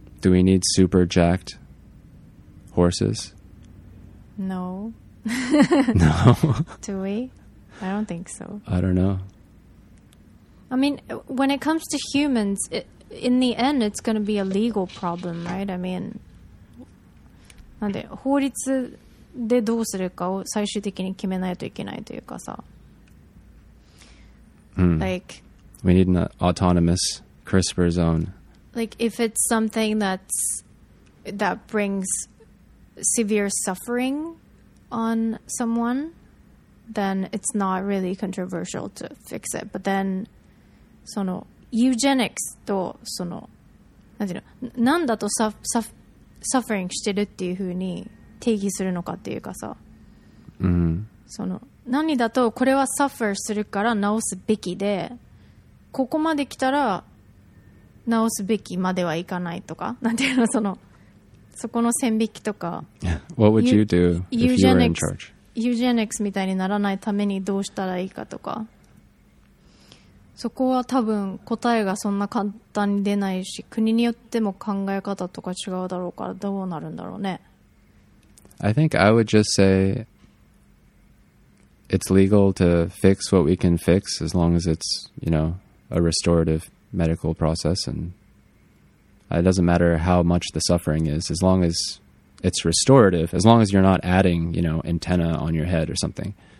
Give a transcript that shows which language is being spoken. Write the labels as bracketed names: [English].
[English] Do we need super jacked horses? No. No? Do we? I don't think so. I don't know. I mean, when it comes to humans, in the end, it's going to be a legal problem, right? I mean, [Japanese] 法律でどうするかを最終的に決めないといけないというかさ。 [English] We need an autonomous CRISPR zone. Like, if it's something that brings severe suffering on someone, then it's not really controversial to fix it. But then... [Japanese] そのユージェニクスとそのなんていうのなんだとサフリングしてるっていう風に定義するのかっていうかさ、 mm-hmm. その何だとこれはサファーするから直すべきでここまで来たら直すべきまではいかないとか、なんていうの、その、そこの線引きとか。 [English] What would you do if you were in charge? [Japanese] Eugenics みたいにならないためにどうしたらいいかとか。そこは多分答えがそんな簡単に出ないし、国によっても考え方とか違うだろうからどうなるんだろうね。 [English] I think I would just say it's legal to fix what we can fix as long as it's, you know, a restorative medical process and it doesn't matter how much the suffering is, as long as it's restorative, as long as you're not adding, you know, antenna on your head or something.